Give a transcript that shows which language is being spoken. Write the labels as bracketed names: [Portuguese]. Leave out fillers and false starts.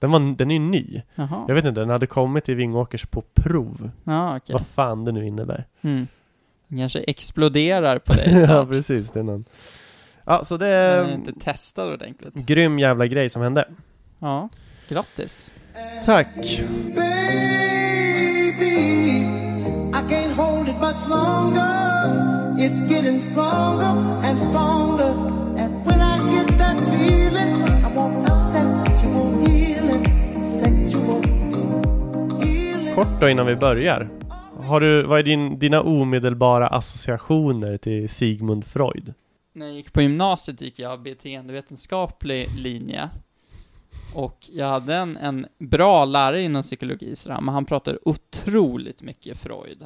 [Swedish] Den är ju ny. Jaha. Jag vet inte, den hade kommit till Vingåkers på prov. Ja, okay. Vad fan det nu innebär. Mm. Den kanske exploderar på dig snart. Ja, precis. Det är någon. Ja, så det är inte testad ordentligt. Grym jävla grej som hände. Ja, grattis. Tack. [English] Baby, much longer, it's getting stronger and stronger, and when I get that feeling, I want a sexual healing, sexual healing. [Swedish] Kort då innan vi börjar, vad är dina omedelbara associationer till Sigmund Freud? När jag gick på gymnasiet gick jag beteendevetenskaplig linje. Och jag hade en bra lärare inom psykologi, sådär, men han pratade otroligt mycket Freud.